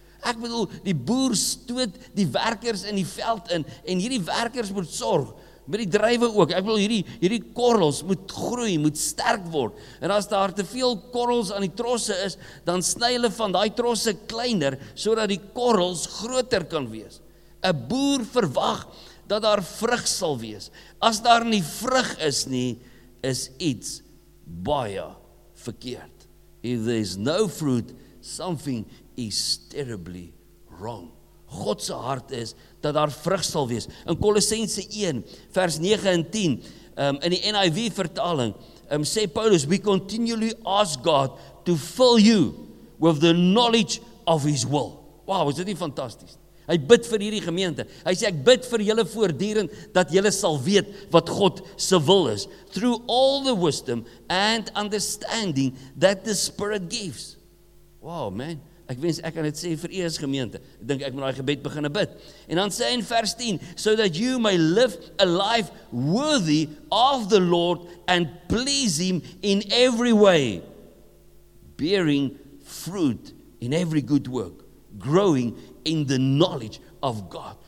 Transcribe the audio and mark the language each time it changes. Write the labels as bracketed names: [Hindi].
[Afrikaans] Ek bedoel, die boer stoot die werkers in die veld in, en hierdie werkers moet sorg, met die druiwe ook, ek bedoel, hierdie korrels moet groei, moet sterk word, en as daar te veel korrels aan die trosse is, dan sny hulle van die trosse kleiner, sodat die korrels groter kan wees. 'N boer verwag, dat daar vrug sal wees. As daar nie vrug is nie, is iets baie verkeerd. [English] If there is no fruit, something is terribly wrong. [Afrikaans] God se hart is, dat daar vrug sal wees. In Kolossense 1, vers 9 en 10, in die NIV vertaling, sê Paulus, [English] we continually ask God to fill you with the knowledge of his will. [Afrikaans] Wow, is dit nie fantastisch? Hy bid vir hierdie gemeente. Hy sê, ek bid vir julle voortdurend, dat julle sal weet wat God se wil is. [English] Through all the wisdom and understanding that the Spirit gives. Wow, man. [Afrikaans] Ek wens ek kan dit sê vir eers gemeente. Ek dink ek moet daai gebed begin bid. En dan sê hy in vers 10, [English] so that you may live a life worthy of the Lord and please him in every way, bearing fruit in every good work, growing in the knowledge of God.